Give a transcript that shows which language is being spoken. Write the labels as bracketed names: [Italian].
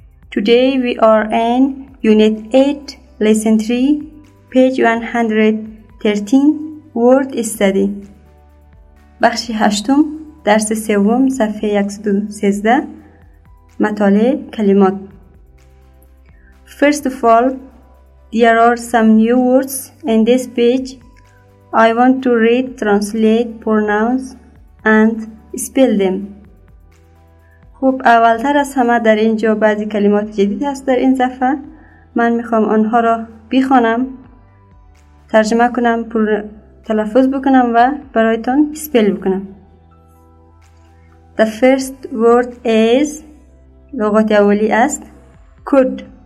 [English] Today we are in Unit 8, Lesson 3, Page 113, Word Study. [Persian] بخش هشتم، درس سوم، صفحه 113، مطالعه کلمات. [English] First of all, there are some new words in this page. I want to read, translate, pronounce and spell them. [Persian] خب اولتر از همه در اینجا بعضی کلمات جدید هست در این صفحه. من میخوام آنها را بخوانم، ترجمه کنم، تلفظ بکنم و برایتان اسپل بکنم. [English] The first word is، [Persian] لغت اولی است، [English] could.